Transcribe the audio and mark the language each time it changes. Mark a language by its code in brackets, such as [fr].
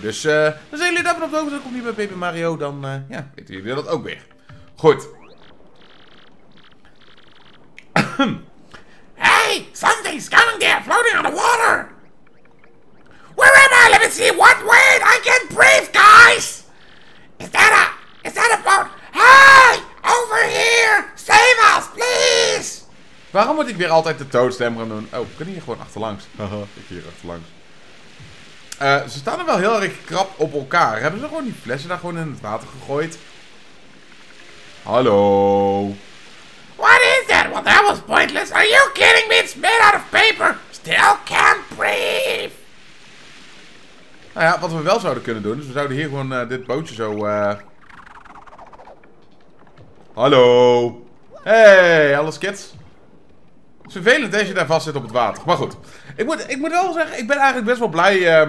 [nl] Dus dan zijn jullie daarvan op de hoogte. Dan komt niet bij Paper Mario. Dan ja, weten jullie dat ook weer. Goed. [en] Hey, something's coming there, floating on the water. Where am I? Let me see. What? Wait, I can't breathe, guys. Is that a boat? Hey, over here. Save us, please. [nl] Waarom moet ik weer altijd de toadstem gaan doen? Oh, kunnen hier gewoon achterlangs? Ik hier achterlangs. Ze staan er wel heel erg krap op elkaar. Hebben ze gewoon die flessen daar gewoon in het water gegooid? Hallo? [en] What is that? Well, that was pointless. Are you kidding me? It's made out of paper. Still can't breathe. [nl] Nou ja, wat we wel zouden kunnen doen, is we zouden hier gewoon dit bootje zo... Hallo? Hey, alles kids? Het is vervelend als je daar vast zit op het water. Maar goed, ik moet wel zeggen, ik ben eigenlijk best wel blij.